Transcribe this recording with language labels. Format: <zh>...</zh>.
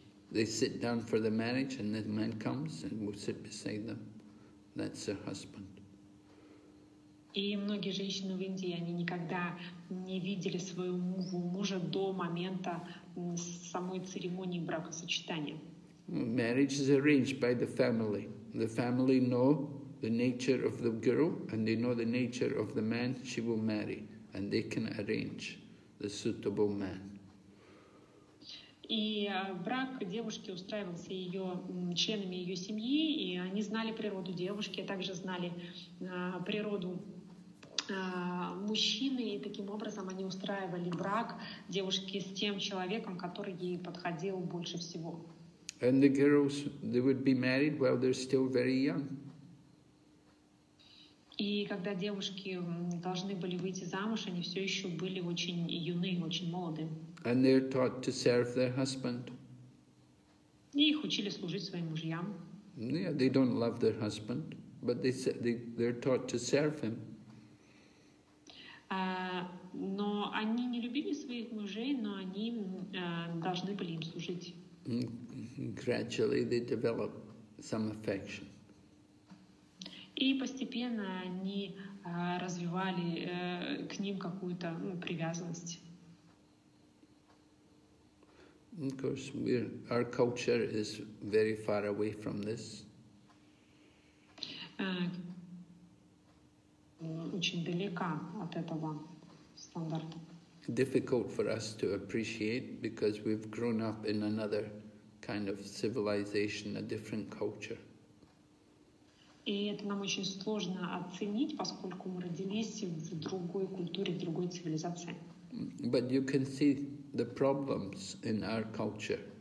<en>They sit down for the marriage, and the man comes and will sit beside them. That's her husband.</en> <ru>И многие женщины в Индии, они никогда не видели своего мужа до момента самой церемонии бракосочетания.</ru> <en>Marriage is arranged by the family. The family know the nature of the girl, and they know the nature of the man she will marry, and they can arrange the suitable man.</en> <ru>И брак девушки устраивался ее членами ее семьи, и они знали природу девушки, также знали природу мужчины, и таким образом они устраивали брак девушки с тем человеком, который ей подходил больше всего.</ru> <en>And the girls, they would be married while they're still very young.</en> <ru>И когда девушки должны были выйти замуж, они все еще были очень юны, очень молоды.</ru> <en>And they're taught to serve their husband.</en> <ru>И их учили служить своим мужьям.</ru> <en>Yeah, they don't love their husband, but they're taught to serve him.</en> <ru>Но они не любили своих мужей, но они должны были им служить.</ru> <en>Gradually they develop some affection.</en> <ru>И постепенно они развивали к ним какую-то привязанность.</ru> <en>Of course, our culture is very far away from this.</en> <ru>Очень далека от этого стандарта.</ru> <en>Difficult for us to appreciate because we've grown up in another kind of civilization, a different culture.</en> <ru>И это нам очень сложно оценить, поскольку мы родились в другой культуре, в другой цивилизации.</ru> <en>But you can see the problems in our culture.</en>